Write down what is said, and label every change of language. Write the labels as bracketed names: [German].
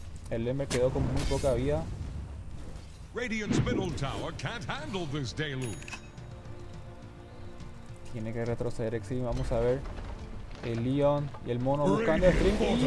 [Spanish] El Ember quedó con muy poca vida. [English] Radiant's middle tower can't handle this deluge. [Spanish] Tiene que retroceder Exim, vamos a ver. El Leon y el mono buscando el stream.